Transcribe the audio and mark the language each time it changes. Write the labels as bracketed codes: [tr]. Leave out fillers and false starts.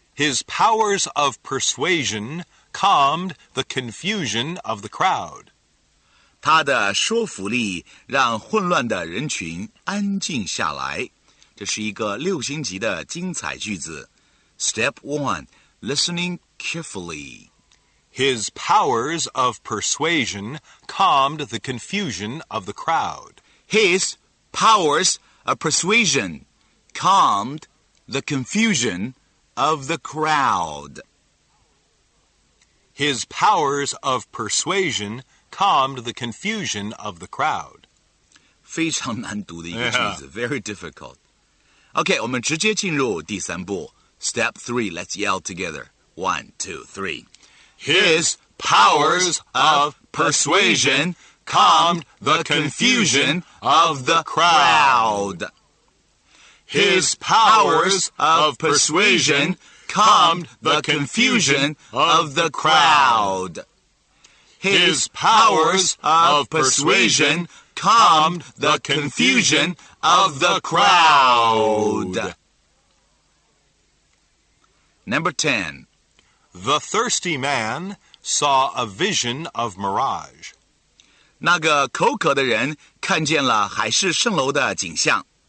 [en] His powers of persuasion calmed the confusion of the crowd. [zh] 他的说服力让混乱的人群安静下来。这是一个六星级的精彩句子。 [en] Step 1. Listening carefully. His powers of persuasion calmed the confusion of the crowd. His powers of persuasion calmed the confusion of the crowd. His powers of persuasion calmed the confusion of the crowd. [zh] 非常难读的一个句子 [en] very difficult. [zh] OK, 我们直接进入第三步。 [en] Step 3, let's yell together. 1, 2, 3. His powers of persuasion calmed the confusion of the crowd. His powers of persuasion calmed the confusion of the crowd. His powers of persuasion calmed the confusion of the crowd. Number 10. The thirsty man saw a vision of mirage. [zh] 那个口渴的人看见了海市蜃楼的景象。